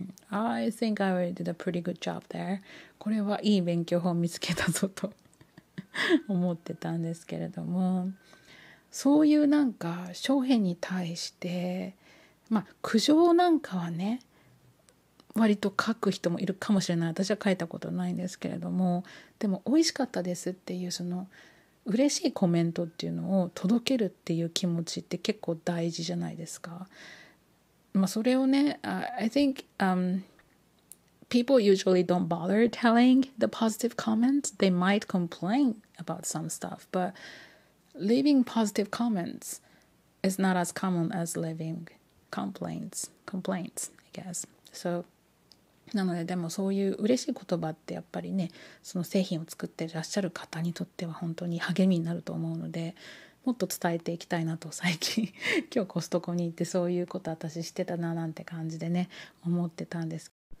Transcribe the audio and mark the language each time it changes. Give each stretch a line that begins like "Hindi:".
English: I think I already did a pretty good job there.
Japanese: これはいい勉強法を見つけたぞと思ってたんですけれども、そういうなんか商品に対してまあ苦情なんかはね割と書く人もいるかもしれない、私は書いたことないんですけれども、でも美味しかったですっていうその嬉しいコメントっていうのを届けるっていう気持ちって結構大事じゃないですか。まあそれをね
English: I think people usually don't bother telling the positive comments. They might complain about some stuff, but leaving positive comments is not as common as leaving complaints, I guess. So,
Japanese: なのででもそういう嬉しい言葉ってやっぱりね、その製品を作ってらっしゃる方にとっては本当に励みになると思うので、もっと伝えていきたいなと最近今日コストコに行ってそういうこと私してたななんて感じでね、思ってたんです。